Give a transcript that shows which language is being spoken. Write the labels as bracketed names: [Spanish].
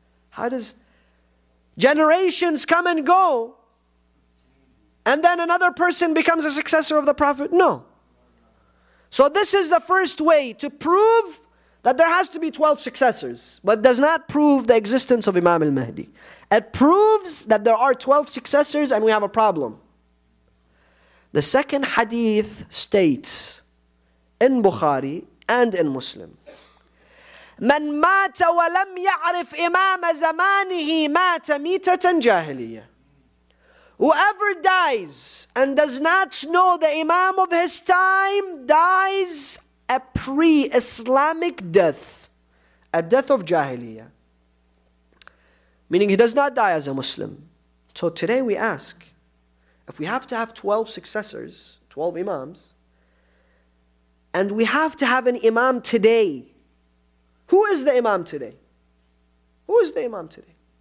[English] How does generations come and go, and then another person becomes a successor of the Prophet? No. So this is the first way to prove that there has to be 12 successors, but does not prove the existence of Imam al-Mahdi. It proves that there are 12 successors and we have a problem. The second hadith states in Bukhari and in Muslim, [Arabic] من مات ولم يعرف إمام زمانه مات ميتة جاهلية. [English] Whoever dies and does not know the Imam of his time dies a pre-Islamic death, a death of Jahiliyyah. Meaning he does not die as a Muslim. So today we ask, if we have to have 12 successors, 12 Imams, and we have to have an Imam today, who is the Imam today? Who is the Imam today?